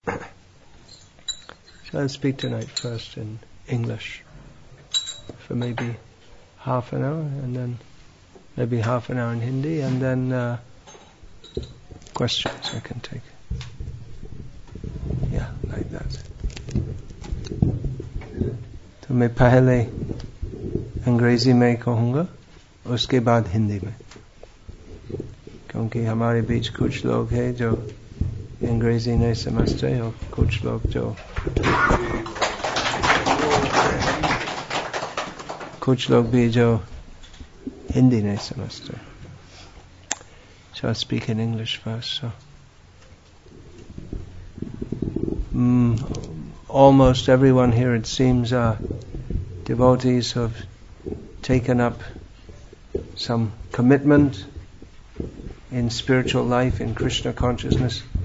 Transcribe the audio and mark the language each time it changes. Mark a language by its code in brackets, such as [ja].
[en] try and speak tonight first in English for maybe half an hour, and then maybe half an hour in Hindi, and then questions I can take. Yeah, like that. [hi] सो मैं पहले अंग्रेज़ी में कहूँगा, उसके बाद हिंदी में। क्योंकि हमारे बीच कुछ लोग है जो अंग्रेज़ी नहीं समझते, और कुछ लोग जो कुछ लोग भी जो हिंदी नहीं समझते, [en] so I speak in English first. So, almost everyone here, it seems, are devotees who have taken up some commitment in spiritual life, in Krishna consciousness.